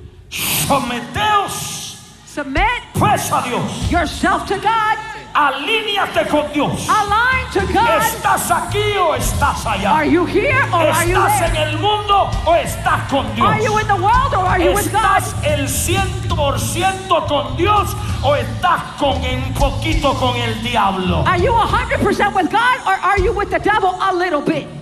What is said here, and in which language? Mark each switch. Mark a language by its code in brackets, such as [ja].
[es] Someteos. [en] Submit [es] pues a Dios. [en] Yourself to God. [es] Alíñate con Dios. [en] Align to God. [es] ¿Estás aquí o estás allá? [en] Are you here or [es] estás [en] are you there? [es] En el mundo o estás con Dios? [en] Are you in the world or are you with God? [es] ¿Estás el 100% con Dios o estás con un poquito con el diablo? [en] Are you 100% with God or are you with the devil a little bit?